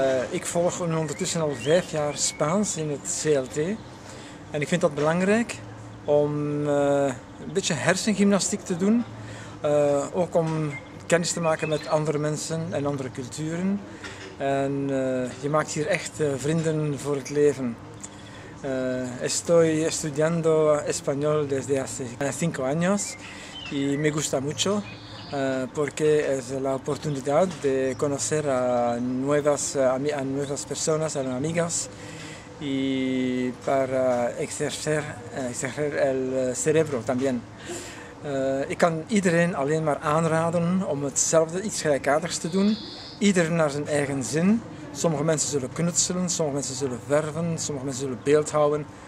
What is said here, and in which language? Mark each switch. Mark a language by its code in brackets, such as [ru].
[nl] Ik volg ondertussen al 5 jaar Spaans in het CLT. En ik vind dat belangrijk om een beetje hersengymnastiek te doen. Ook om kennis te maken met andere mensen en andere culturen. En je maakt hier echt vrienden voor het leven. [es] Estoy estudiando español desde hace 5 años y me gusta mucho. Porque es la oportunidad de conocer a nuevas personas, a nuevas amigas y para exercer el cerebro también. [nl] Ik kan iedereen alleen maar aanraden om hetzelfde, iets gelijkaardigs te doen. Ieder naar zijn eigen zin. Sommige mensen zullen knutselen, sommige mensen zullen verven, sommige mensen zullen beeld houden.